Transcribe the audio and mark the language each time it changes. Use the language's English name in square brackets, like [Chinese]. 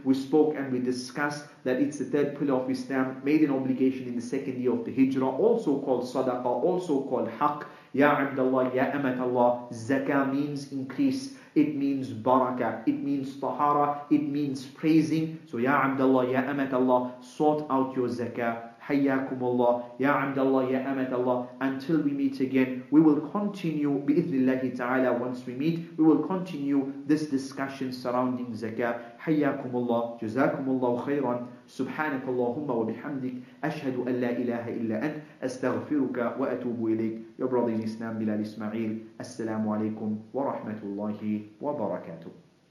[English] We spoke and we discussed that it's the third pillar of Islam, made an obligation in the second year of the Hijrah, also called Sadaqah, also called Haqq. Ya Abdullah, Ya Amat Allah, Zakah means increase, it means Barakah, it means Tahara, it means praising. So Ya Abdullah, Ya Amat Allah, sort out your Zakah. [Arabic] حياكم الله يا عبد الله يا أمت الله. [English] Until we meet again, we will continue [Arabic] بإذن الله تعالى. [English] Once we meet, we will continue this discussion surrounding zakah. [Arabic] حياكم الله جزاكم الله خيرا. سبحانك اللهم وبحمدك أشهد أن لا إله إلا أنت أستغفرك وأتوب إليك. [English] Your brother in Islam, Bilal Ismail. [Arabic] السلام عليكم ورحمة الله وبركاته.